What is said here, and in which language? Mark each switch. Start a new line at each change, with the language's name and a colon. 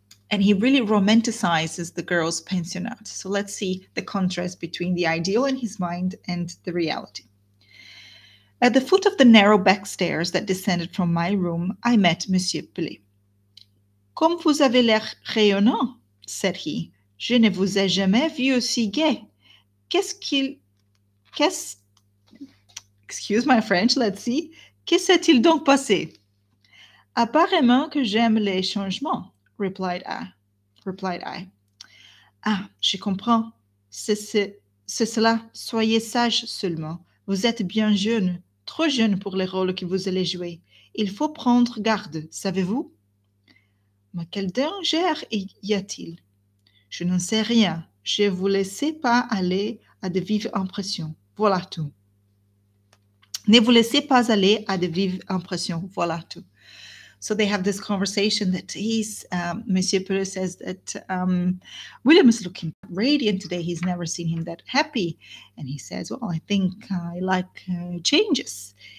English: And he really romanticizes the girls' pensionnat. So let's see the contrast between the ideal in his mind and the reality. At the foot of the narrow back stairs that descended from my room, I met Monsieur Pelé.
French: Comme vous avez l'air rayonnant,
English: said he.
French: Je ne vous ai jamais vu aussi gai.
English: Excuse my French, let's see.
French: Que s'est-il donc passé? Apparemment que j'aime les changements,
English: replied I.
French: Ah, je comprends. C'est cela. Soyez sage seulement. Vous êtes bien jeune. Trop jeune pour les rôles que vous allez jouer. Il faut prendre garde, savez-vous? Mais quel danger y a-t-il? Je n'en sais rien. Je ne vous laissez pas aller à de vives impressions. Voilà tout. Ne vous laissez pas aller à de vives impressions. Voilà tout.
English: So they have this conversation that he's, Monsieur Pelé says that William is looking radiant today. He's never seen him that happy. And he says, well, I think I like changes.